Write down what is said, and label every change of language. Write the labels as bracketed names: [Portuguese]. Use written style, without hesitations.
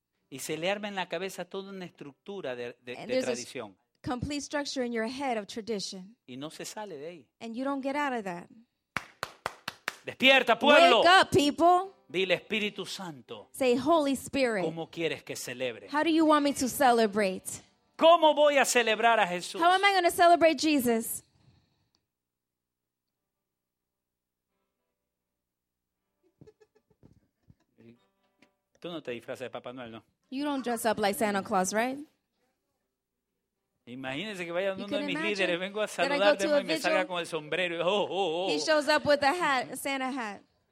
[Spanish] Y se le arma en la cabeza toda una estructura de tradición. [English] A complete structure in your head of tradition. [Spanish] Y no se sale de ahí. [English] And you don't get out of that. [Spanish] Despierta, pueblo. [English] Wake up, people. [Spanish] Dile Espíritu Santo. [English] Say Holy Spirit. [Spanish] ¿Cómo quieres que celebre? [English] How do you want me to celebrate? [Spanish] ¿Cómo voy a celebrar a Jesús? [English] How am I going to celebrate Jesus? [Spanish] Tú no te disfrazas de Papá Noel, ¿no? [English] You don't dress up like Santa Claus, right? [Spanish] Imagínese que vaya uno de mis líderes, vengo a saludarte y me salga con el sombrero. Oh, oh, oh. [English] He shows up with a hat, a Santa hat.